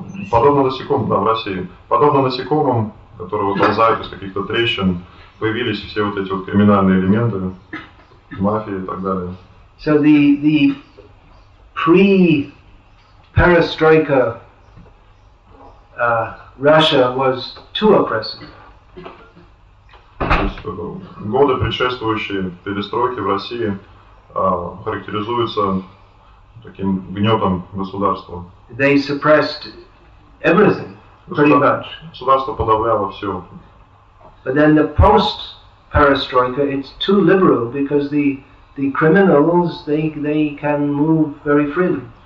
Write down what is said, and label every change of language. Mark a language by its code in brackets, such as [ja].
[ru] Подобно насекомым, которые вылезают из каких-то трещин, появились все вот эти вот криминальные элементы, мафия и так далее. [en] So the pre-perestroika Russia was too oppressive. [ru] Годы, предшествующие перестройке в России, характеризуются таким гнетом государства. [en] They suppressed everything, pretty much. [ru] Государство подавляло все. [en] But then the post-perestroika, it's too liberal, because the criminals, they can move very freely.